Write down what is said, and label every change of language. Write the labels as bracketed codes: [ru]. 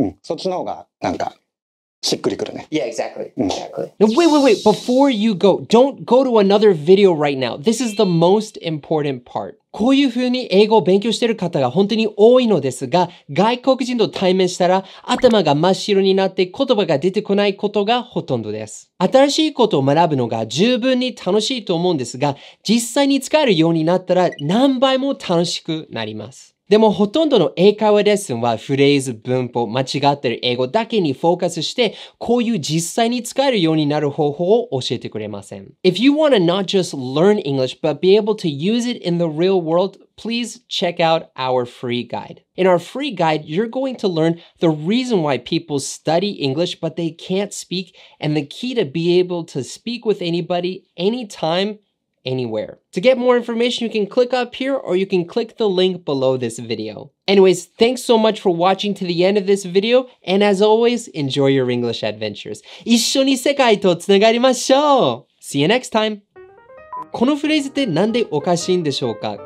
[ja] そっちの方がなんかしっくりくるね。 [en] Yeah, exactly. Exactly. Now, wait. Before you go, don't go to another video right now. This is the most important part. [ja] こういうふうに英語を勉強している方が本当に多いのですが、外国人と対面したら頭が真っ白になって言葉が出てこないことがほとんどです。新しいことを学ぶのが十分に楽しいと思うんですが、実際に使えるようになったら何倍も楽しくなります。でもほとんどの英会話レッスンはフレーズ、文法、間違ってる英語だけにフォーカスして、こういう実際に使えるようになる方法を教えてくれません。 [en] If you want to not just learn English, but be able to use it in the real world, please check out our free guide. In our free guide, you're going to learn the reason why people study English, but they can't speak, and the key to be able to speak with anybody, anytime,anywhere. To get more information, you can click up here or you can click the link below this video. Anyways, thanks so much for watching to the end of this video. And as always, enjoy your English adventures. [ja] 一緒に世界とつながりましょう。 [en] See you next time. [ja] このフレーズってなんでおかしいんでしょうか？